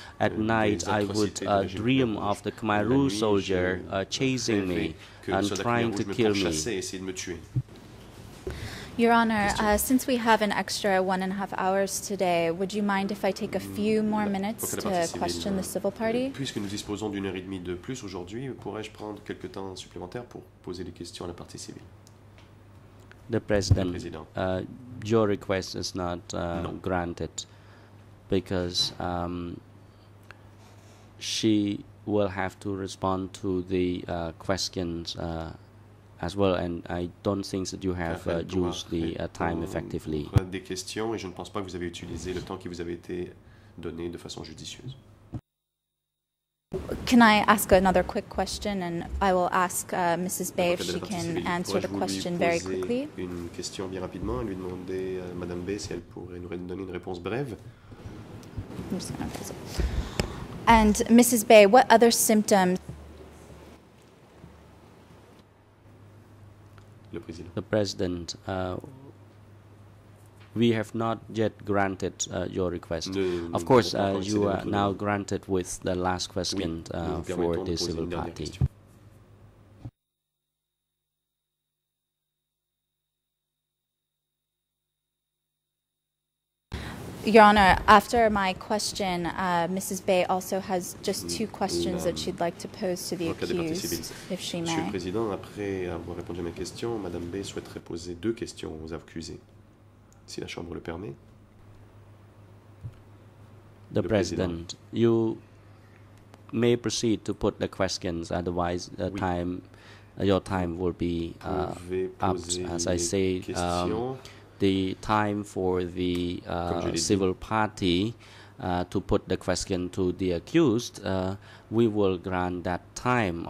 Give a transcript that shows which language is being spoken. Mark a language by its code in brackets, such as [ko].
[en] At night, I would dream of the Khmer Rouge soldier chasing me and trying to kill me. Your Honor, since we have an extra 1.5 hours today, would you mind if I take a few more minutes to question the civil party? [fr] Puisque nous disposons d'une heure et demie de plus aujourd'hui, pourrais-je prendre quelque temps supplémentaire pour poser des questions à la partie civile? [en] The President, your request is not granted because she will have to respond to the questions as well, and I don't think that you have used the time effectively. [fr] Des questions, et je ne pense pas que vous avez utilisé le temps qui vous avait été donné de façon judicieuse. [en] Can I ask another quick question, and I will ask Mrs. Bay if she can answer the question very quickly. [fr] Une question bien rapidement, et lui demander à Madame Bay si elle pourrait nous donner une réponse brève. [en] And Mrs. Bay, what other symptoms? The President, we have not yet granted your request. Of course, you are now granted with the last question for the civil party. Question. Your Honor, after my question, Mrs. Bay also has just two questions that she'd like to pose to the accused, if she may. [fr] Monsieur le Président, après avoir répondu à mes questions, Madame Bay souhaiterait poser deux questions aux accusés, si la Chambre le permet. [en] The President, you may proceed to put the questions, otherwise the time, your time will be up. As I say, the time for the civil party to put the question to the accused, we will grant that time.